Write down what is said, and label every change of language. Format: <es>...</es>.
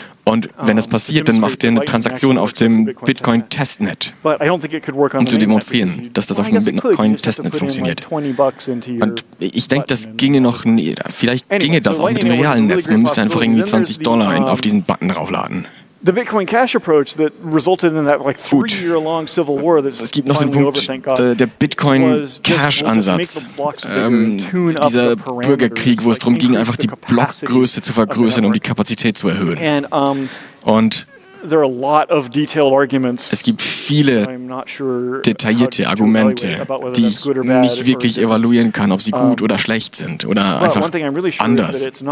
<de>Und wenn das passiert, dann macht ihr eine Transaktion auf dem Bitcoin-Testnet, um zu demonstrieren, dass das auf dem Bitcoin-Testnet funktioniert. Und ich denke, das ginge noch nie. Vielleicht ginge das auch mit dem realen Netz. Man müsste einfach irgendwie $20 auf diesen Button draufladen.</de> <en>The Bitcoin Cash approach that resulted in that like 3-year long civil war that's</en> <de>es gibt noch den Punkt, der Bitcoin Cash Ansatz, dieser Bürgerkrieg, wo es darum ging, einfach die Blockgröße zu vergrößern, um die Kapazität zu erhöhen. Und</de> <en>there are a lot of detailed arguments.</en> <de>Es gibt viele detaillierte Argumente, die ich nicht wirklich evaluieren kann, ob sie gut oder schlecht sind oder einfach anders.</de>